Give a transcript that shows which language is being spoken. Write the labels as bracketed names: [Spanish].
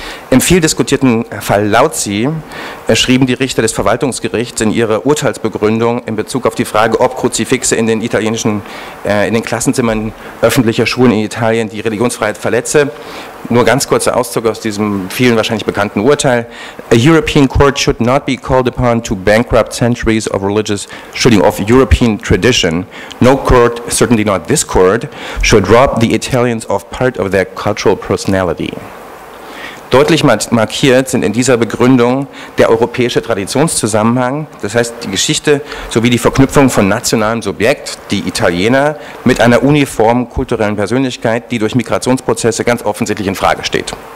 [German] Im viel diskutierten Fall Lautzi schrieben die Richter des Verwaltungsgerichts in ihrer Urteilsbegründung in Bezug auf die Frage, ob Kruzifixe in den italienischen, in den Klassenzimmern öffentlicher Schulen in Italien die Religionsfreiheit verletze. Nur ganz kurzer Auszug aus diesem vielen wahrscheinlich bekannten Urteil. [English] A European court should not be called upon to bankrupt centuries of religious, of European tradition. No court, certainly not this court, should rob the Italians of part of their cultural personality. [German] Deutlich markiert sind in dieser Begründung der europäische Traditionszusammenhang, das heißt die Geschichte sowie die Verknüpfung von nationalem Subjekt, die Italiener, mit einer uniformen kulturellen Persönlichkeit, die durch Migrationsprozesse ganz offensichtlich in Frage steht.